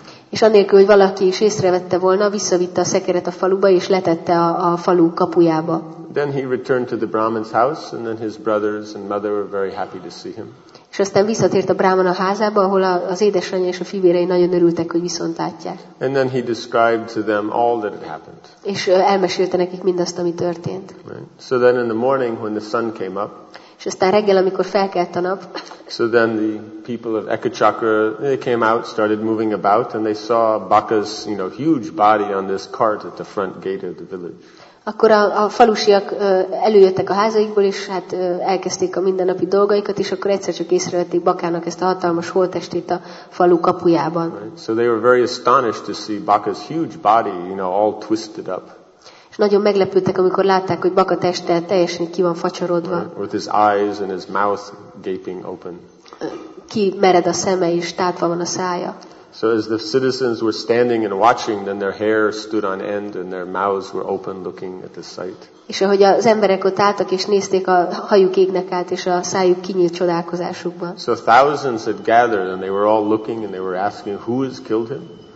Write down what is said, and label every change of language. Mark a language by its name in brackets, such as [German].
[Hungarian] És anélkül, hogy valaki is észrevette volna, visszavitte a szekeret a faluba és letette a falu kapujába. [English] Then he returned to the Brahman's house, and then his brothers and mother were very happy to see him. [Hungarian] És aztán visszatért a Brahman a házába, ahol az édesanyja és a fivérei nagyon örültek, hogy viszont látják. [English] And then he described to them all that had happened. [Hungarian] És elmesélte nekik mindazt, ami történt. [English] Right. So then in the morning when the sun came up. [Hungarian] És aztán reggel, amikor felkelt a nap. [English] So then the people of Ekachakra, they came out, started moving about, and they saw Baka's, you know, huge body on this cart at the front gate of the village. [Hungarian] Akkor a falusiak előjöttek a házaikból, és hát elkezdték a mindennapi dolgaikat, és akkor egyszer csak észrevették Bakának ezt a hatalmas holttestét a falu kapujában. [English] Right. So they were very astonished to see Baka's huge body, you know, all twisted up. [Hungarian] Nagyon meglepődtek, amikor látták, hogy Baka teste teljesen ki van facsarodva. [English] With his eyes and his mouth gaping open. [Hungarian] Ki mered a szeme és tátva van a szája. [English] So as the citizens were standing and watching, then their hair stood on end and their mouths were open looking at the sight. [Hungarian] És ahogy az emberek ott álltak és nézték, a hajuk égnek át és a szájuk kinyílt csodálkozásukban. [English] So thousands had gathered and they were all looking and they were asking, who has killed him?